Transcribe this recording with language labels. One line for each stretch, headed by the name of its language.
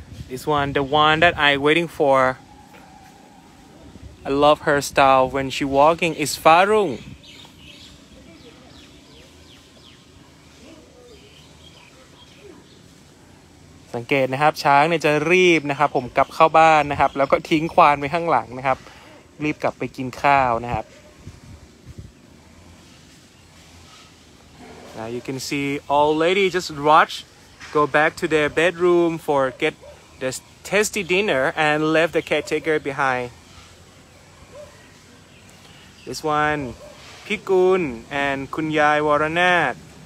English: This one, the one that I waiting for. I love her style when she walking is Farung.
Thai: สังเกตนะครับช้างเนี่ยจะรีบนะครับผมกลับเข้าบ้านนะครับแล้วก็ทิ้งควานไว้ข้างหลังนะครับรีบกลับไปกินข้าวนะครับ
English: Now you can see all lady just rush go back to their bedroom for get this. Tasty dinner and left the caretaker behind. This one, Pikun and Kunyai Waranat.